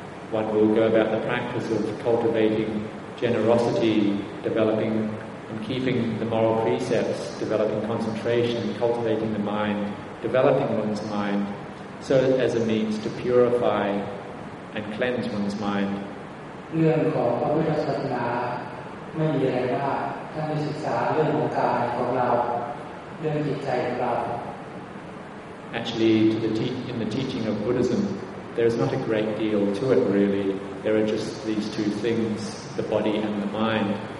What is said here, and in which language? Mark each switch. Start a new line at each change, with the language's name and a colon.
English: One will go about the practice of cultivatinggenerosity, developing and keeping the moral precepts, developing concentration, cultivating the mind, developing one's mind, so as a means to purify and cleanse one's mind.
Thai: เรื่องของพระพุทธศาสนาไม่มีอะไรว่าถ้าไม่ศึกษาเรื่องของกายของเราเรื่องจิตใจของเรา
English: Actually, in the teaching of Buddhism, there is not a great deal to it really. There are just these two things. The body and the mind.